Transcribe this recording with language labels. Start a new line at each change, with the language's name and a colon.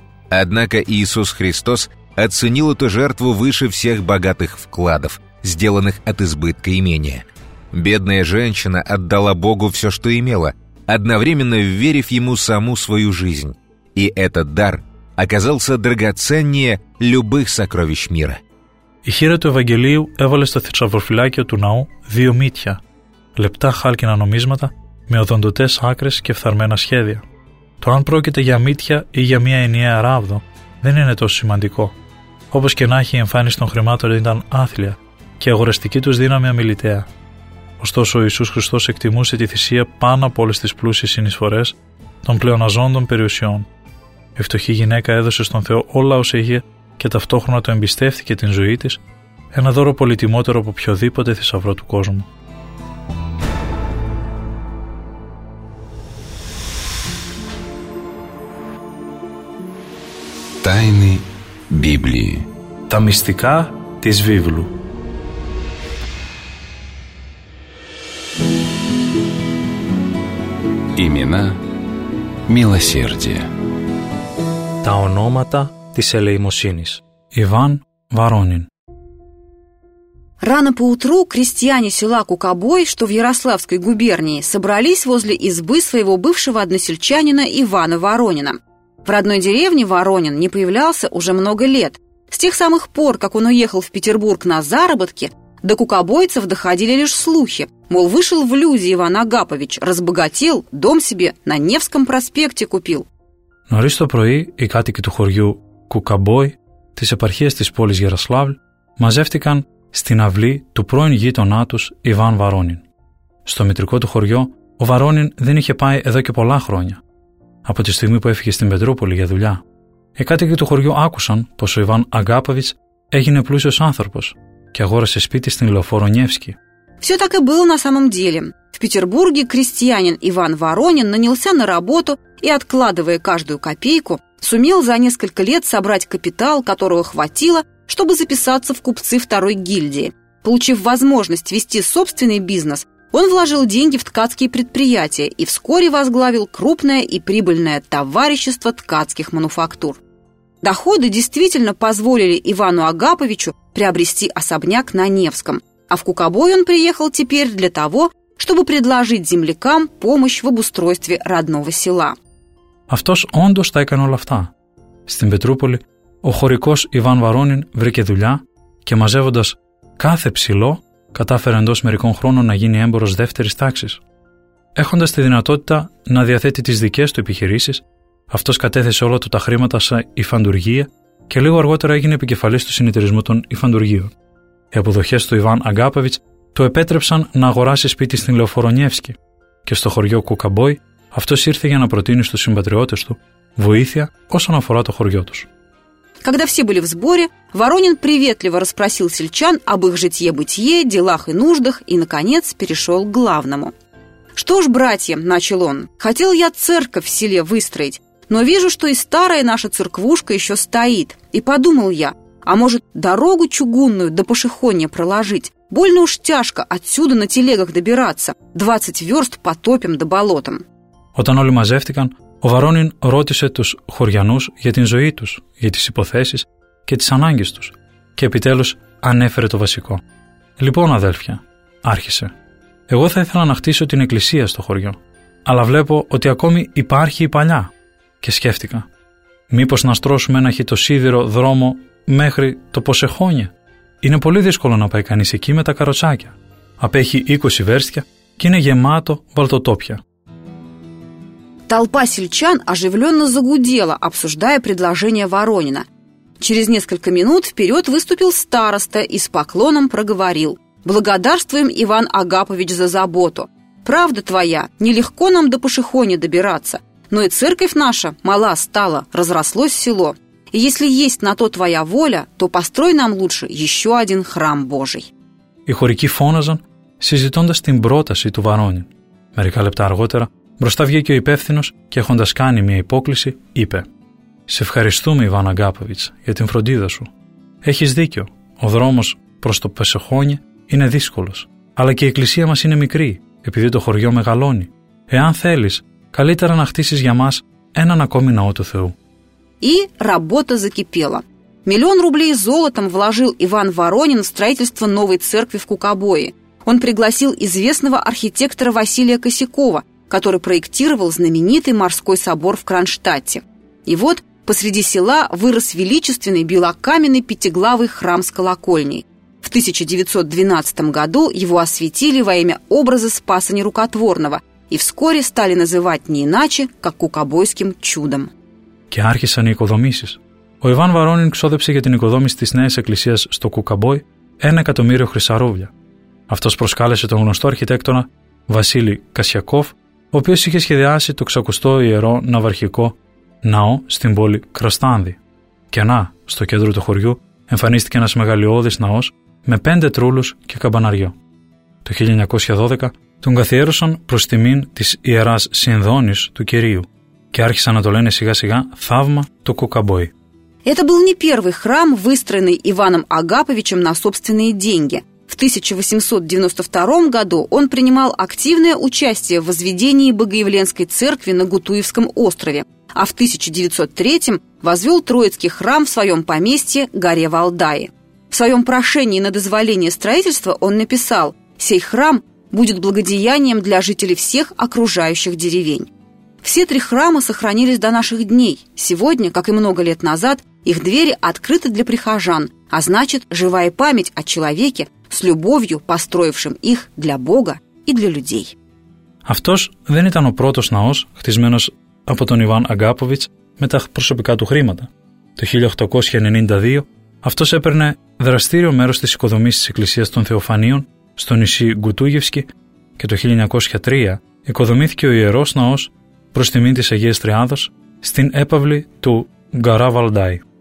Russian: Однако Иисус Христос оценил эту жертву выше всех богатых вкладов, сделанных от избытка имения. Бедная женщина отдала Богу все, что имела, одновременно вверив Ему саму свою жизнь. И этот дар оказался драгоценнее любых сокровищ мира.
Greek: Η χείρα του Ευαγγελίου έβαλε στο θησαυροφυλάκιο του ναού δύο μύτια, λεπτά χάλκινα νομίσματα με οδοντωτές άκρες και φθαρμένα σχέδια. Το αν πρόκειται για μύτια ή για μια ενιαία ράβδο δεν είναι τόσο σημαντικό. Όπως και να έχει, η εμφάνιση των χρημάτων ήταν άθλια και η αγοραστική τους δύναμη αμιλητέα. Ωστόσο, ο Ιησούς Χριστός εκτιμούσε τη θυσία πάνω από όλες τις πλούσιες συνεισφορές των πλεοναζόντων περιουσιών. Η φτωχή γυναίκα έδωσε στον Θεό όλα όσα είχε και ταυτόχρονα το εμπιστεύθηκε την ζωή της, ένα δώρο πολυτιμότερο από οποιοδήποτε θησαυρό του κόσμου. Τάινη Βίβλη. Τα μυστικά της Βίβλου.
Russian: Имена милосердия.
Greek: Τα ονόματα της ελεημοσύνης.
Russian: Иван Воронин. Рано поутру крестьяне села Кукобой, что в Ярославской губернии, собрались возле избы своего бывшего односельчанина Ивана Воронина. В родной деревне Воронин не появлялся уже много лет. С тех самых пор, как он уехал в Петербург на заработки, до кукобойцев доходили лишь слухи. Мол, вышел в люди Иван Агапович, разбогател, дом себе на Невском проспекте купил.
Greek: Норис то прои и катики ту хорью Кукобой, тис епархиес тис полис Ярославль, мазевтикан стин авли ту проин гитона тус Иван Воронин. Στο μητρικό του χωριό, ο Βαρόνιν δεν είχε πάει εδώ και πολλά χρόνια. Από τη στιγμή που έφυγε στην Πετρούπολη για δουλειά, οι κάτοικοι του χωριού άκουσαν πως ο Ιβάν Αγκάποβιτς έγινε πλούσιος άνθρωπος και αγόρασε σπίτι στην Λεωφόρο Νιεύσκη.
Russian: Все так и было на самом деле. В Петербурге крестьянин Иван Воронин нанялся на работу и, откладывая каждую копейку, сумел за несколько лет собрать капитал, которого хватило, чтобы записаться в купцы второй гильдии. Получив возможность вести собственный бизнес, он вложил деньги в ткацкие предприятия и вскоре возглавил крупное и прибыльное товарищество ткацких мануфактур. Доходы действительно позволили Ивану Агаповичу приобрести особняк на Невском. А в Кукобой он приехал теперь для того, чтобы предложить землякам помощь в обустройстве родного села.
Greek: Αυτός όντως τα έκανε όλα αυτά. Στην Πετρούπολη, ο χωρικός Ιβάν Βαρόνιν βρήκε δουλειά και μαζεύοντας κάθε ψηλό, κατάφερε εντός μερικών χρόνων να γίνει έμπορος δεύτερης τάξης. Έχοντας τη δυνατότητα να διαθέτει τις δικές του επιχειρήσεις, αυτός κατέθεσε όλα του τα χρήματα σε υφαντουργία και λίγο αργότερα έγινε επικεφαλής του συνεταιρισμού των υφαντουργείων. Οι αποδοχές του Ιβάν Αγκάποβιτς του επέτρεψαν να αγοράσει σπίτι στην Λεωφόρο Νιεύσκη και στο χωριό Κουκαμπόι αυτός ήρθε για να προτείνει στους συμπατριώτες του βοήθεια όσον αφορά το χωριό τους.
Russian: Когда все были в сборе, Воронин приветливо расспросил сельчан об их житье-бытие, делах и нуждах и, наконец, перешел к главному. «Что ж, братья, — начал он, — хотел я церковь в селе выстроить, но вижу, что и старая наша церквушка еще стоит. И подумал я, а может, дорогу чугунную до Пошехонья проложить? Больно уж тяжко отсюда на телегах добираться. 20 верст по топям да болотам».
Greek: Όταν όλοι μαζεύτηκαν, ο Βαρόνιν ρώτησε τους χωριανούς για την ζωή τους, για τις υποθέσεις και τις ανάγκες τους και επιτέλους ανέφερε το βασικό. «Λοιπόν, αδέλφια», άρχισε, «εγώ θα ήθελα να χτίσω την εκκλησία στο χωριό, αλλά βλέπω ότι ακόμη υπάρχει η παλιά». Και σκέφτηκα, «μήπως να στρώσουμε ένα χιτοσίδηρο δρόμο μέχρι το Ποσεχόνια? Είναι πολύ δύσκολο να πάει κανείς εκεί με τα καροτσάκια. Απέχει 20 βέρστια και είναι γεμάτο βαλτοτόπια».
Russian: Толпа сельчан оживленно загудела, обсуждая предложение Воронина. Через несколько минут вперед выступил староста и с поклоном проговорил: «Благодарствуем, Иван Агапович, за заботу. Правда твоя, нелегко нам до Пошехони добираться, но и церковь наша мала стала, разрослось село. И если есть на то твоя воля, то построй нам лучше еще один храм Божий».
Greek: И хорики фоназан, συζητώντας την πρόταση του Воронин. Μερικά λεπτά αργότερα, μπροστά βγήκε ο υπεύθυνος και έχοντας κάνει μια υπόκληση, είπε: Σε ευχαριστούμε, Ιβάν Αγκάποβιτς, για την φροντίδα σου. Έχεις δίκιο. Ο δρόμος προς το Πεσεχόνι είναι δύσκολος. Αλλά και η εκκλησία μας είναι μικρή, επειδή το χωριό μεγαλώνει. Εάν θέλεις, καλύτερα να χτίσεις για μας έναν ακόμη ναό του Θεού.
Russian: И работа закипела. Миллион рублей золотом вложил Иван Воронин в строительство новой церкви в Кукабое. Он пригласил известного архитектора Василия Косякова, который проектировал знаменитый морской собор в Кронштадте. И вот посреди села вырос величественный белокаменный пятиглавый храм с колокольней. В 1912 году его освятили во имя образа Спаса Нерукотворного и вскоре стали называть не иначе, как Кукабойским чудом.
Greek: Και άρχισαν οι οικοδομήσεις. Ο Ιβάν Βαρόνιν ξόδεψε για την οικοδόμηση της νέας εκκλησίας στο Κουκαμπόι 1.000.000 χρυσά ρούβλια. Αυτός προσκάλεσε τον γνωστό αρχιτέκτονα Βασίλη Κασιακόφ, ο οποίος είχε σχεδιάσει το ξακουστό ιερό ναυαρχικό ναό στην πόλη Κρασθάνδη. Και να, στο κέντρο του χωριού εμφανίστηκε ένας μεγαλειώδης ναός με 5 τρούλους και καμπαναριό. Το 1912 τον καθιέρωσαν προς τιμήν της ιεράς Συνδόνης του κυρίου. Και άρχισαν να το λένε σιγά-σιγά «Θαύμα του Кукабои».
Russian: Это был не первый храм, выстроенный Иваном Агаповичем на собственные деньги. В 1892 году он принимал активное участие в возведении Богоявленской церкви на Гутуевском острове, а в 1903 возвел Троицкий храм в своем поместье горе Валдаи. В своем прошении на дозволение строительства он написал: «Сей храм будет благодеянием для жителей всех окружающих деревень». Все три храма сохранились до наших дней. Сегодня, как и много лет назад, их двери открыты для прихожан, а значит, живая память о человеке с любовью, построившем их для Бога и для людей.
Greek: Αυτός δεν ήταν ο πρώτος ναός, χτισμένος από τον Ιβάν Αγκάποβιτς με τα προσωπικά του χρήματα. Το 1892 αυτός έπαιρνε δραστήριο μέρος της οικοδομής της Εκκλησίας των Θεοφανίων στο νησί Γκουτούγευσκι και το 1903 οικοδομήθηκε ο ιερός ναός προς τιμήν της Αγίας Τριάδος, στην έπαυλη του Γκαρά Βαλντάι.